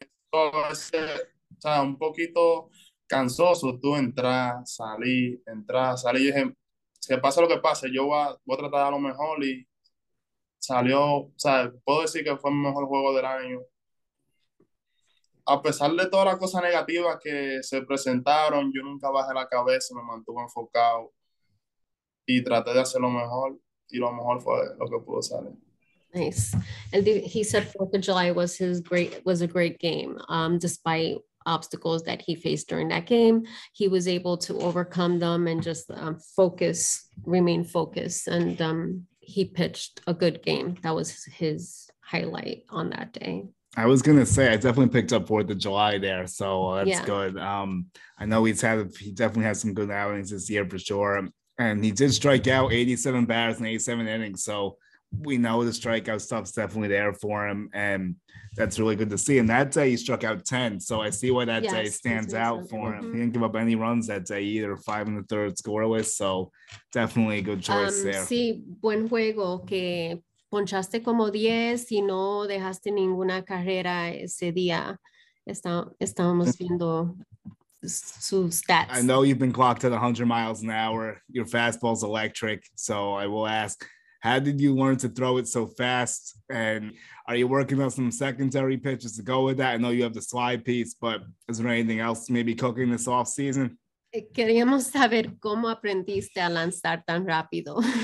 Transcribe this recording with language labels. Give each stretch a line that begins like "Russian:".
Spanish: Porque un poquito cansoso, tú entras, salí, y dije, si pasa lo que pase, yo voy a tratar a lo mejor, y salió, o sea, puedo decir que fue mi mejor juego del año. A pesar de todas las cosas negativas que se presentaron, yo nunca bajé la cabeza, me mantuve enfocado y traté de hacer lo mejor, y lo mejor fue lo que pudo salir.
English: Nice. And he said 4th of July was a great game. Despite obstacles that he faced during that game, he was able to overcome them and just remain focused. And he pitched a good game. That was his highlight on that day. I was going to say, I definitely picked up 4th of July there, so that's good. I know he definitely had some good outings this year for sure. And he did strike out 87 batters in 87 innings, so we know the strikeout stuff's definitely there for him, and that's really good to see. And that day he struck out 10, so I see why that day stands out for him. Mm-hmm. He didn't give up any runs that day either, 5 1/3 scoreless, so definitely a good choice there.
Spanish: Sí, buen juego, que ponchaste como 10 y no dejaste ninguna carrera ese día. Estábamos viendo sus stats.
English: I know you've been clocked at 100 miles an hour. Your fastball's electric, so I will ask, how did you learn to throw it so fast? And are you working on some secondary pitches to go with that? I know you have the slide piece, but is there anything else maybe cooking this off season?
Spanish: Queríamos saber cómo aprendiste a lanzar tan rápido.